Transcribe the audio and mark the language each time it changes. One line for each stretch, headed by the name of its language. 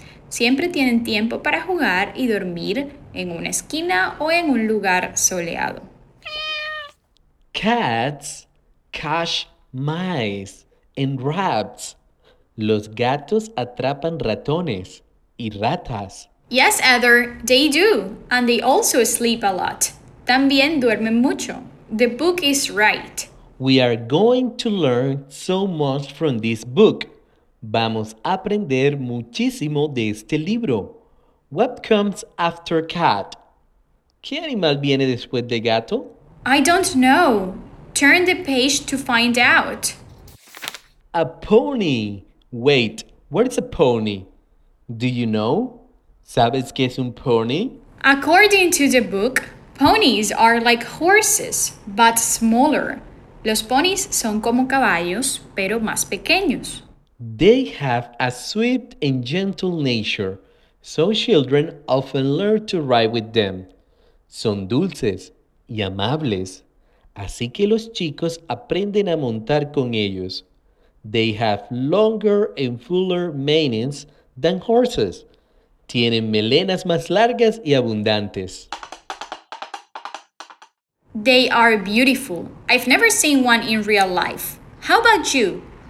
Spanish: Siempre tienen tiempo para jugar y dormir en una esquina o en un lugar soleado.
English: Cats catch mice and rats.
Spanish: Los gatos atrapan ratones y ratas.
English: Yes, Heather, they do. And they also sleep a lot.
Spanish: También duermen mucho.
English: The book is right. We are going to learn so much from this book.
Spanish: Vamos a aprender muchísimo de este libro.
English: What comes after cat?
Spanish: ¿Qué animal viene después de gato?
English: I don't know. Turn the page to find out. A pony. Wait, where's a pony? Do you know?
Spanish: ¿Sabes qué es un pony?
English: According to the book, ponies are like horses, but smaller.
Spanish: Los ponies son como caballos, pero más pequeños.
English: They have a sweet and gentle nature, so children often learn to ride with them.
Spanish: Son dulces y amables, así que los chicos aprenden a montar con ellos.
English: They have longer and fuller manes than horses.
Spanish: Tienen melenas más largas y abundantes.
English: They are beautiful. I've never seen one in real life. How about you?